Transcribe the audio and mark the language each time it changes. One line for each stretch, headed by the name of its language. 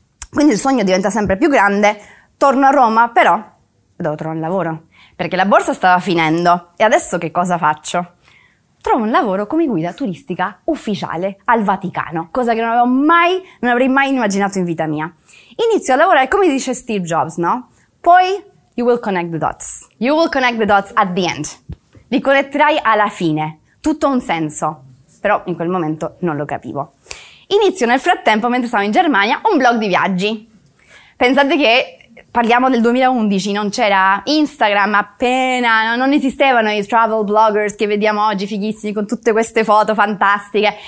Italian: Quindi il sogno diventa sempre più grande. Torno a Roma, però devo trovare un lavoro, perché la borsa stava finendo. E adesso che cosa faccio? Trovo un lavoro come guida turistica ufficiale al Vaticano, cosa che non avrei mai immaginato in vita mia. Inizio a lavorare come dice Steve Jobs, no?
English: Poi, you will connect the dots. You will connect the dots at the end.
Italian: Li connetterai alla fine. Tutto ha un senso. Però in quel momento non lo capivo. Inizio nel frattempo, mentre stavo in Germania, un blog di viaggi. Pensate che parliamo del 2011, non c'era Instagram appena, non esistevano i travel bloggers che vediamo oggi, fighissimi, con tutte queste foto fantastiche.